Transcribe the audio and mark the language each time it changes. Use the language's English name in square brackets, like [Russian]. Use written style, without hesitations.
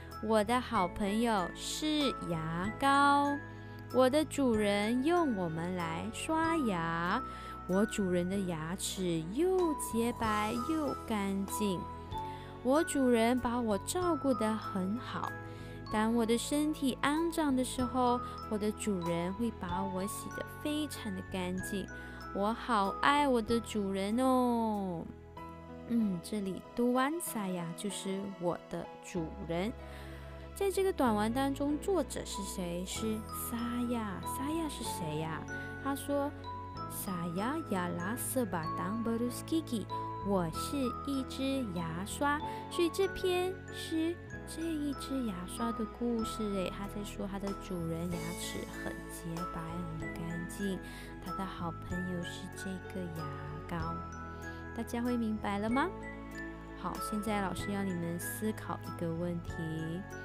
[Chinese] 我的好朋友是牙膏，我的主人用我们来刷牙，我主人的牙齿又洁白又干净，我主人把我照顾得很好，当我的身体肮脏的时候，我的主人会把我洗得非常的干净，我好爱我的主人哦。这里 tuan saya 就是我的主人。在这个短文当中，作者是谁？是 saya。saya 是谁呀？ [Malay] 他说 saya ialah sebatang berus gigi，我是一只牙刷。 [Chinese] 所以这篇是这一只牙刷的故事。他在说他的主人牙齿很洁白很干净，他的好朋友是这个牙膏。大家会明白了吗？好，现在老师要你们思考一个问题。